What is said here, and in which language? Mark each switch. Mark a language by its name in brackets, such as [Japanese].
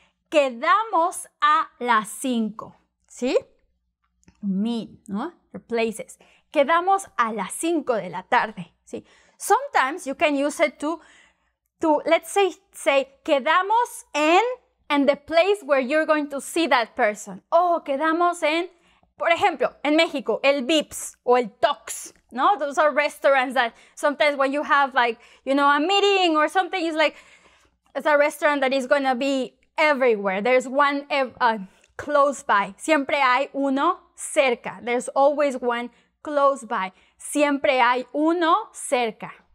[Spanish] Quedamos a las 5. ¿Sí? Meet, ¿no? Replaces. Quedamos a las 5 de la tarde. ¿Sí? [English] Sometimes you can use it to let's say [Spanish] quedamos en [English] and the place where you're going to see that person. [Spanish] Oh, quedamos en, por ejemplo, en México, el Vips o el Tox, ¿no? [English] Those are restaurants that sometimes when you have like, you know, a meeting or something, it's like, it's a restaurant that is going to be everywhere. There's one close by. [Spanish] Siempre hay uno cerca. [English] There's always one close by. [Spanish] Siempre hay uno cerca.